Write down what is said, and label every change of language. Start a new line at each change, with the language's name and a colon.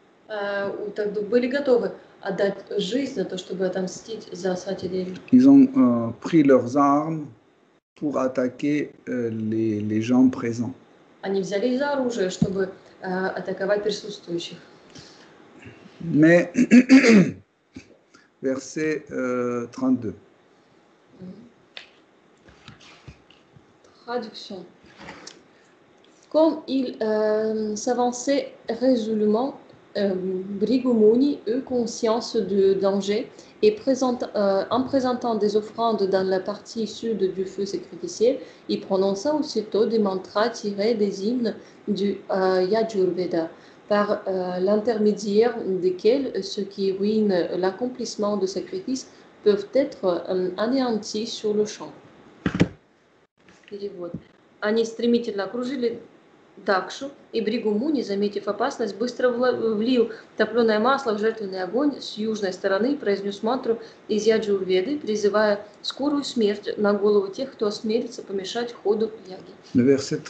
Russian: тогда были готовы отдать жизнь за то, чтобы отомстить за Сатидеви.
French: Ils ont pris leurs armes pour attaquer les gens présents.
Russian: Они взяли за оружие, чтобы атаковать присутствующих.
French: Mais verset 32. Traduction. Comme il s'avançait résolument, Brigumuni eut conscience du danger et présentant des offrandes dans la partie sud du feu sacrificiel, il prononça aussitôt des mantras tirés des hymnes du Yajurveda, par l'intermédiaire desquels ceux qui ruinent l'accomplissement de sacrifices peuvent être anéantis sur le champ.
Russian: Перевод. Они стремительно окружили Дакшу, и Бригумуни, заметив опасность, быстро влил топленое масло в жертвенный огонь с южной стороны и произнес мантру из Яджурведы, призывая скорую смерть на голову тех, кто осмелится помешать ходу яги.